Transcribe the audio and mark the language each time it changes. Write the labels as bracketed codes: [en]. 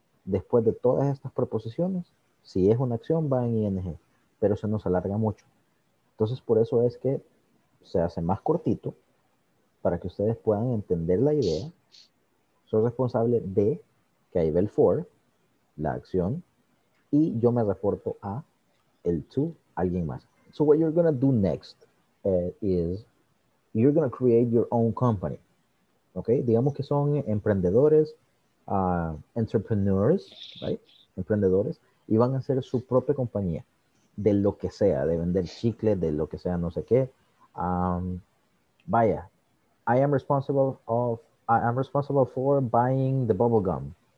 [es] después de todas estas preposiciones, si es una acción, va en ING, pero se nos alarga mucho. Entonces, por eso es que se hace más cortito, para que ustedes puedan entender la idea. Soy responsable de, que ahí ve el for, la acción, y yo me reporto a el to, alguien más. [en] So what you're gonna do next is, you're gonna create your own company. [es] Okay, digamos que son emprendedores, entrepreneurs, right? Emprendedores, y van a hacer su propia compañía, de lo que sea, de vender chicle, de lo que sea, no sé qué. [en] Vaya, I am responsible for buying the bubble gum.